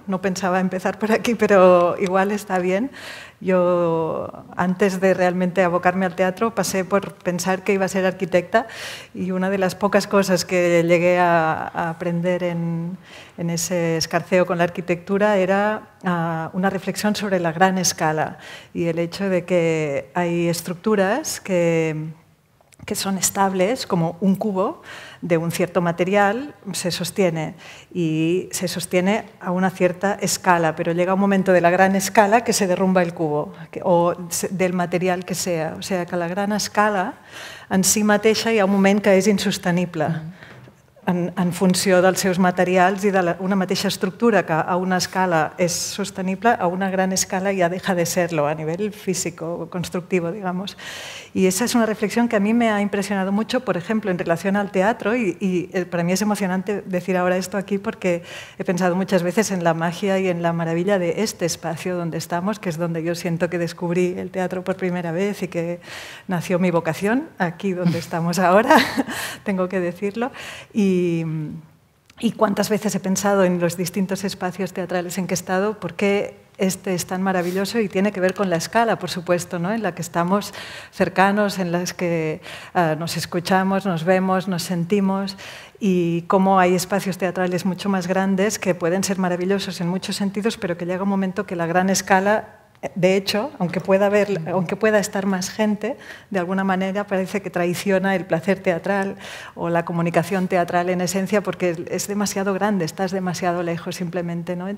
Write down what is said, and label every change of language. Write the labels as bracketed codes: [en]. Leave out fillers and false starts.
[es] No pensaba empezar por aquí, pero igual está bien. Yo, antes de realmente abocarme al teatro, pasé por pensar que iba a ser arquitecta y una de las pocas cosas que llegué a aprender en ese escarceo con la arquitectura era una reflexión sobre la gran escala y el hecho de que hay estructuras que son estables, como un cubo de un cierto material, se sostiene y se sostiene a una cierta escala, pero llega un momento de la gran escala que se derrumba el cubo o del material que sea. O sea, que la gran escala [ca] en si mateixa hi ha un moment que és insostenible. En funció dels seus materials i d'una mateixa estructura que a una escala és sostenible, a una gran escala ja deja de ser-lo a nivell físic o constructiu, digamos. I esa és una reflexió que a mi me ha impressionat mucho, per exemple, en relació al teatre, i per a mi és emocionant dir ara [es] esto aquí [ca] perquè he pensat moltes vegades en la màgia i en la meravella de [es] este espacio [ca] on estem, que és on jo sento que descobrí el teatre per primera vegada i que nació mi vocació aquí on estem ara, [es] tengo que [ca] dir-lo. [es] Y cuántas veces he pensado en los distintos espacios teatrales en que he estado, por qué este es tan maravilloso y tiene que ver con la escala, por supuesto, ¿no? En la que estamos cercanos, en las que nos escuchamos, nos vemos, nos sentimos, y cómo hay espacios teatrales mucho más grandes que pueden ser maravillosos en muchos sentidos, pero que llega un momento que la gran escala, de hecho, aunque pueda estar más gente, de alguna manera parece que traiciona el placer teatral o la comunicación teatral en esencia, porque es demasiado grande, estás demasiado lejos simplemente, ¿no?